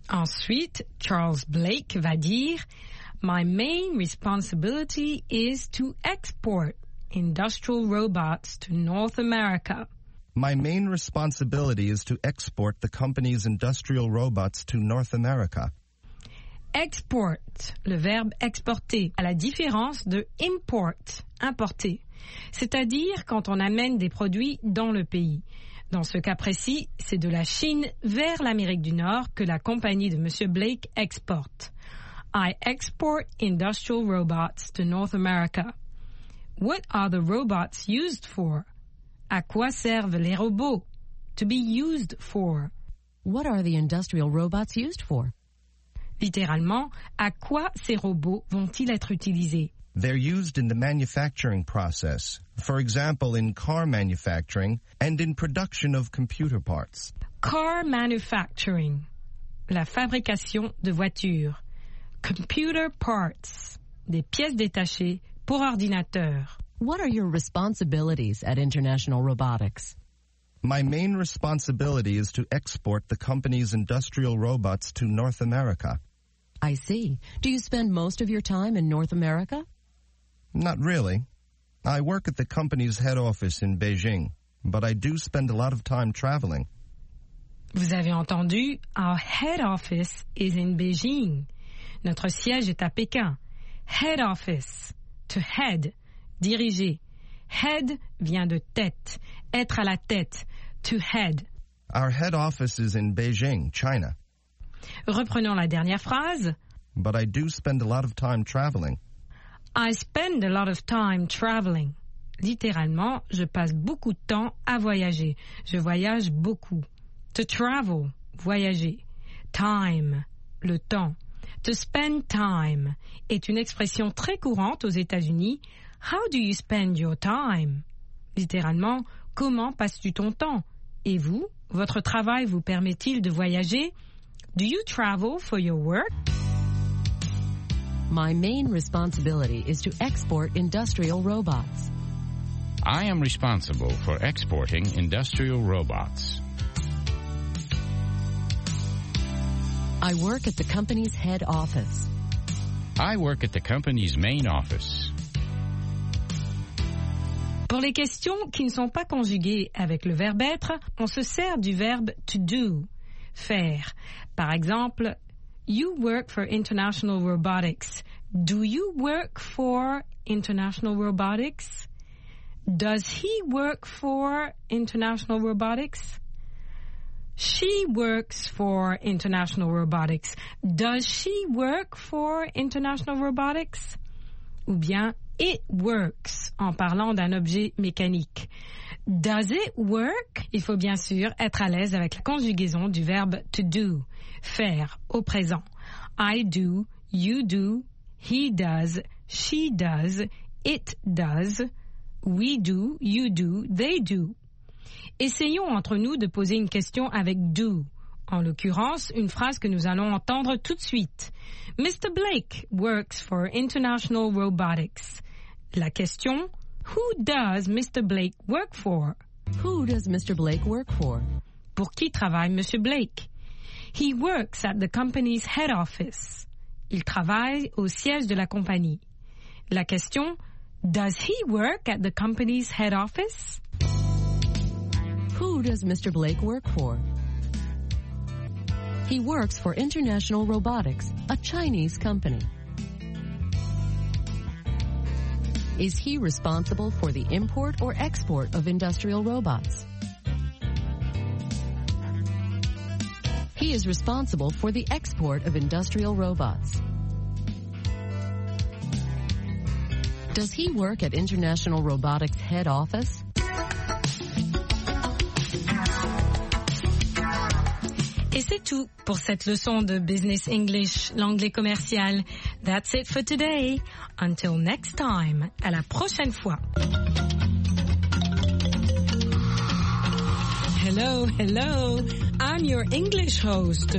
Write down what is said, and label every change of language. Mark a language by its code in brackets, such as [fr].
[fr] Ensuite, Charles Blake va dire, [en] My main responsibility is to export industrial robots to North America. My main responsibility is to export the company's industrial robots to North America. [fr] Export, le verbe exporter, à la différence de import, importer, c'est-à-dire quand on amène des produits dans le pays. Dans ce cas précis, c'est de la Chine vers l'Amérique du Nord que la compagnie de Monsieur Blake exporte. [en] I export industrial robots to North America. What are the robots used for? [fr] À quoi servent les robots? [en] To be used for. What are the industrial robots used for? [fr] Littéralement, à quoi ces robots vont-ils être utilisés? [en] They're used in the manufacturing process. For example, in car manufacturing and in production of computer parts. Car manufacturing. [fr] La fabrication de voitures. [en] Computer parts. [fr] Des pièces détachées pour ordinateur. [en] What are your responsibilities at International Robotics? My main responsibility is to export the company's industrial robots to North America. I see. Do you spend most of your time in North America? Not really. I work at the company's head office in Beijing, but I do spend a lot of time traveling. [fr] Vous avez entendu, [en] our head office is in Beijing. [fr] Notre siège est à Pékin. [en] Head office. To head. [fr] Diriger. Head vient de tête. Être à la tête. To head. [en] Our head office is in Beijing, China. [fr] Reprenons la dernière phrase. [en] But I do spend a lot of time traveling. I spend a lot of time traveling. [fr] Littéralement, je passe beaucoup de temps à voyager. Je voyage beaucoup. To travel, voyager. Time, le temps. [en] To spend time [fr] est une expression très courante aux États-Unis. [en] How do you spend your time? [fr] Littéralement, comment passes-tu ton temps? Et vous, votre travail vous permet-il de voyager? [en] Do you travel for your work? My main responsibility is to export industrial robots. I am responsible for exporting industrial robots. I work at the company's head office. I work at the company's main office. [fr] Pour les questions qui ne sont pas conjuguées avec le verbe être, on se sert du verbe to do, faire. Par exemple, [en] you work for International Robotics. Do you work for International Robotics? Does he work for International Robotics? She works for International Robotics. Does she work for International Robotics? [fr] Ou bien, [en] it works, [fr] en parlant d'un objet mécanique. [en] Does it work? [fr] Il faut bien sûr être à l'aise avec la conjugaison du verbe to do, faire, au présent. [en] I do, you do, he does, she does, it does. We do, you do, they do. [fr] Essayons entre nous de poser une question avec « do ». En l'occurrence, une phrase que nous allons entendre tout de suite. [en] « Mr. Blake works for International Robotics ». [fr] La question [en] « Who does Mr. Blake work for ?»« Who does Mr. Blake work for ?» [fr] Pour qui travaille Monsieur Blake ?« [en] He works at the company's head office ». [fr] Il travaille au siège de la compagnie. La question [en] « Does he work at the company's head office? Who does Mr. Blake work for? He works for International Robotics, a Chinese company. Is he responsible for the import or export of industrial robots? He is responsible for the export of industrial robots. Does he work at International Robotics head office? [fr] Et c'est tout pour cette leçon de Business English, l'anglais commercial. [en] That's it for today. Until next time, [fr] à la prochaine fois. [en] Hello, hello. I'm your English host.